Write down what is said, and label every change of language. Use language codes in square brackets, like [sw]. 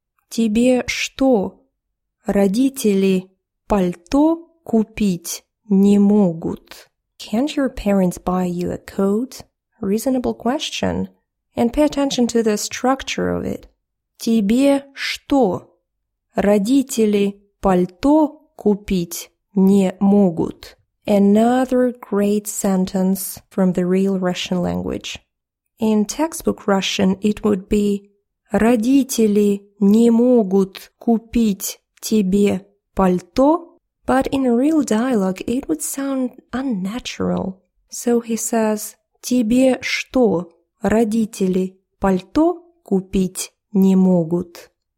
[ru] тебе что, родители пальто купить не могут? [en] Can't your parents buy you a coat? Reasonable question. And pay attention to the structure of it. [ru] Тебе что? Родители пальто купить не могут. [en] Another great sentence from the real Russian language. In textbook Russian, it would be [ru] родители не могут купить тебе пальто. [en] But in a real dialogue, it would sound unnatural. So he says, [ru] тебе что, родители пальто купить не могут?